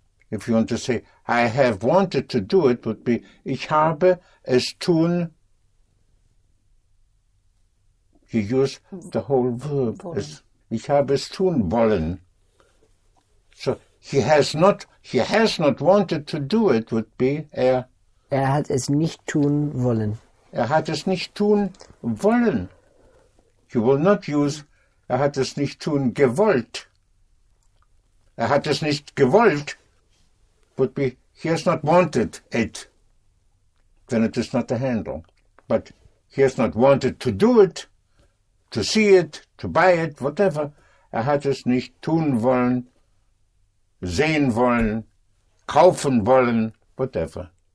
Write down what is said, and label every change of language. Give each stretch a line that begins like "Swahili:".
English: If you want to say, I have wanted to do it, would be,
German: ich habe es tun.
English: You use the whole verb.
German: Ich habe es tun wollen.
English: So he has not wanted to do it would be
German: er hat es nicht tun wollen. Er hat es nicht tun wollen.
English: You will not use
German: er hat es nicht tun gewollt. Er hat es nicht gewollt
English: would be he has not wanted it. Then it is not a handle. But he has not wanted to do it. To see it, to buy it, whatever.
German: Er hat es nicht tun wollen, sehen wollen, kaufen wollen, whatever.